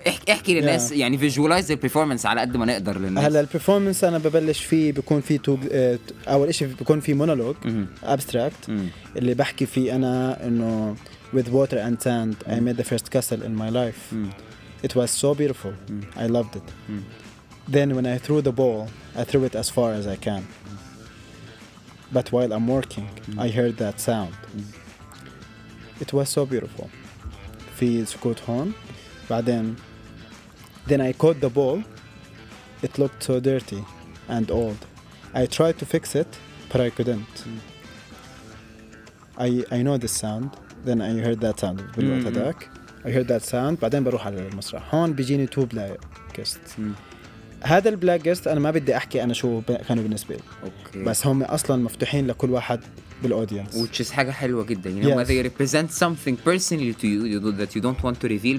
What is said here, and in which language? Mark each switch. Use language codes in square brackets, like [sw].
[ar] احكي للناس يعني [en] visualize the performance [ar] على قد ما نقدر للناس. هلا البرفورمانس أنا ببلش فيه بكون فيه أول إشي بكون فيه مونولوج abstract اللي بحكي فيه أنا إنه [en] with water and sand I made the first castle in my life. It was so beautiful. I loved it. Then when I threw the ball, I threw it as far as I can. But while I'm working, I heard that sound. It was so beautiful. [ar] في سكوت هون. بعدين, [en] then I caught the ball. It looked so dirty and old. I tried to fix it, but I couldn't. I know this sound. Then I heard that sound. I heard that sound. [ar] بعدين بروح على المسرح. هون بيجيني [en] two blackists. [ar] هذا البلاك جيست انا ما بدي احكي انا شو كانوا بالنسبه لي. بس هم اصلا مفتوحين لكل واحد بالاودينس [en] which is [ar] حاجه حلوه جدا يعني. هم [en] they represent something personally to you that you don't want to reveal.